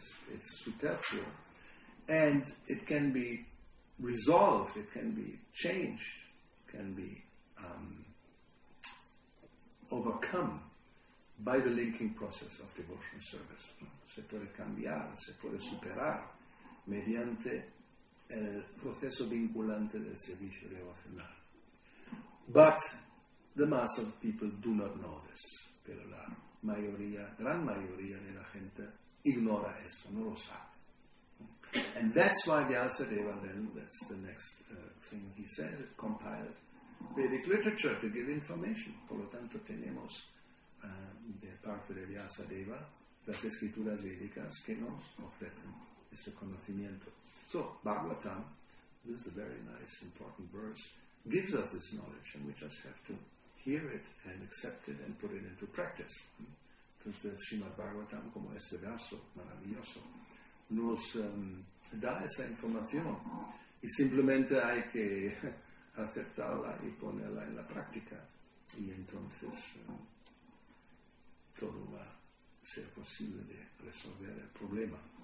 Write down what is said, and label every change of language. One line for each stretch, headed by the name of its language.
English: It's superfluo, and it can be resolved, it can be changed, can be overcome by the linking process of devotional service.
Spanish: Se puede cambiar, se puede superar mediante el proceso vinculante del servicio devocional.
English: But the mass of people do not know this.
Spanish: Pero la mayoría, gran mayoría de la gente ignora eso, no lo sabe.
English: And that's why Vyasadeva then, that's the next thing he says, compiled Vedic literature to give information.
Spanish: Por lo tanto tenemos de parte de Vyasadeva las escrituras védicas que nos ofrecen ese conocimiento.
English: So, Bhagavatam, this is a very nice, important verse, gives us this knowledge and we just have to hear it and accept it and put it into practice.
Spanish: Entonces, Srimad Bhagavatam, como este verso maravilloso, nos da esa información y simplemente hay que aceptarla y ponerla en la práctica. Y entonces todo va a ser posible de resolver el problema.